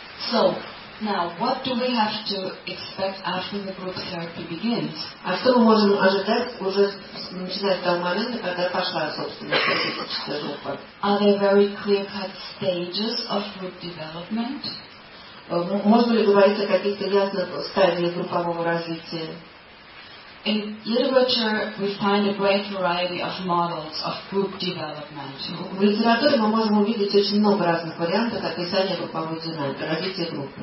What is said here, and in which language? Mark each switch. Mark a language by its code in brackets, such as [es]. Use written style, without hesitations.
[en] So, now, what do we have to expect after the group therapy begins? [ru] А что мы можем ожидать уже начиная с того момента, когда пошла, собственно, классическая группа? [en] Are there very clear-cut stages of group development? [ru] Можно ли говорить о каких-то ясных стадиях группового развития? [en] In literature, we find a great variety of models of group development. [ru] В литературе мы можем увидеть очень много разных вариантов описания групповой динамики, развития группы.